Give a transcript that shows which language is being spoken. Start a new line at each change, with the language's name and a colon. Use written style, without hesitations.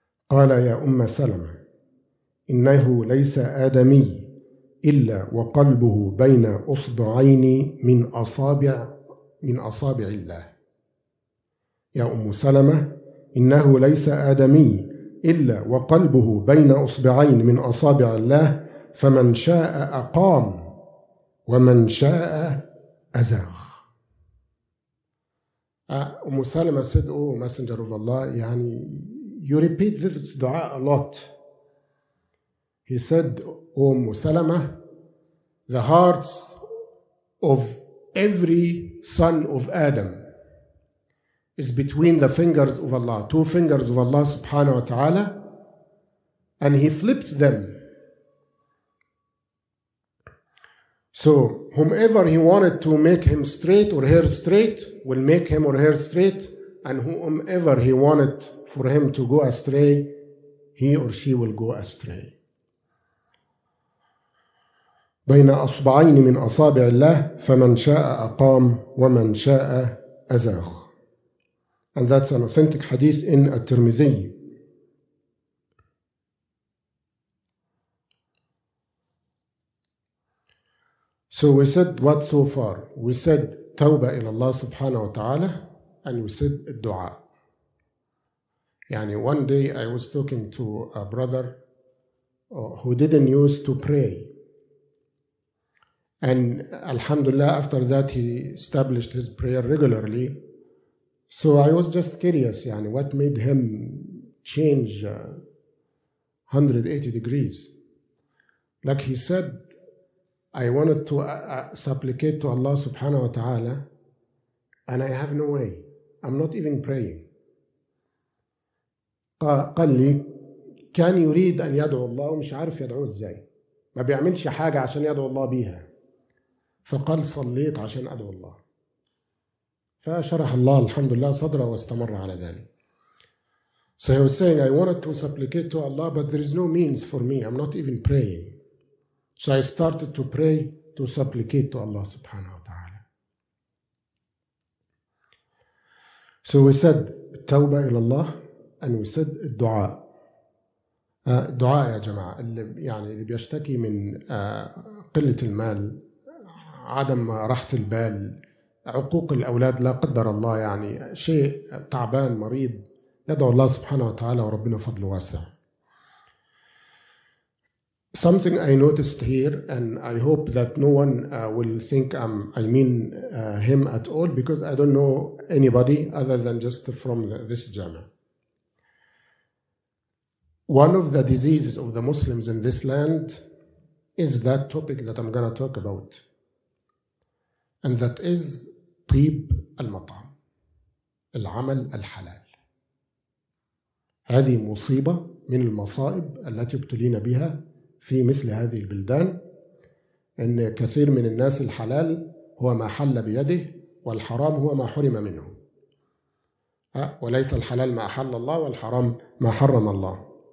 Arabic: قال يا أم سلمة إنه ليس آدمي إلا وقلبه بين أصبعين من أصابع الله. يا أم سلمة إنه ليس آدمي إلا وقلبه بين أصبعين من أصابع الله, فمن شاء أقام ومن شاء أزاغ.
English: أم سلمة said, oh messenger of Allah,
Arabic: يعني
English: you repeat this dua a lot. He said, oh أم سلمة, the hearts of every son of Adam is between the fingers of Allah, two fingers of Allah
Arabic: subhanahu wa ta'ala,
English: and he flips them. So whomever he wanted to make him straight or her straight will make him or her straight, and whomever he wanted for him to go astray, he or she will go astray.
Arabic: بين أصبعين من أصابع الله فمن شاء أقام ومن شاء أزاغ.
English: And that's an authentic hadith in At-Tirmidhi. So we said what so far? We said
Arabic: tawbah ila Allah subhanahu wa ta'ala,
English: and we said du'a.
Arabic: Yani
English: one day I was talking to a brother who didn't use to pray. And
Arabic: alhamdulillah,
English: after that he established his prayer regularly. So I was just curious,
Arabic: yani
English: what made him change 180 degrees? Like he said, I wanted to supplicate to Allah
Arabic: subhanahu wa ta'ala,
English: and I have no way. I'm not even praying.
Arabic: قال لي كان يريد أن يدعو الله ومش عارف يدعو إزاي. ما بيعملش حاجة عشان يدعو الله بيها. فقال صليت عشان أدعو الله. فشرح الله الحمد لله صدره واستمر على ذلك.
English: So he was saying, I wanted to supplicate to Allah, but there is no means for me. I'm not even praying. So I started to pray to supplicate to Allah
Arabic: subhanahu wa ta'ala.
English: So we said
Arabic: التوبة إلى الله,
English: and we said
Arabic: الدعاء. دعاء يا جماعة اللي يعني اللي بيشتكي من قلة المال, عدم راحة البال, عقوق الأولاد لا قدر الله, يعني شيء تعبان مريض, يدعو الله سبحانه وتعالى وربنا فضل واسع.
English: Something I noticed here, and I hope that no one will think I mean him at all, because I don't know anybody other than just from this jama. One of the diseases of the Muslims in this land is that topic that I'm going to talk about. And that is
Arabic: طيب المطعم, العمل الحلال. هذه مصيبة من المصائب التي ابتلينا بها في مثل هذه البلدان, أن كثير من الناس الحلال هو ما حل بيده والحرام هو ما حرم منه, وليس الحلال ما حل الله والحرام ما حرم الله.